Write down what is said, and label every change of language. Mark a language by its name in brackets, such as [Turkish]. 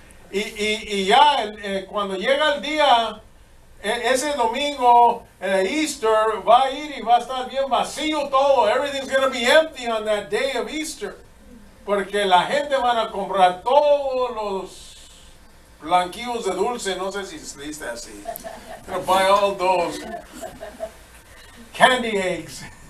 [Spanish] Y ya cuando llega el día, ese domingo, Easter, va a ir y va a estar bien vacío todo. [English] Everything's going to be empty on that day of Easter. [Spanish] Porque la gente van a comprar todos los blanquillos de dulce. No sé si se dice así. [English] They're going to buy all those candy eggs.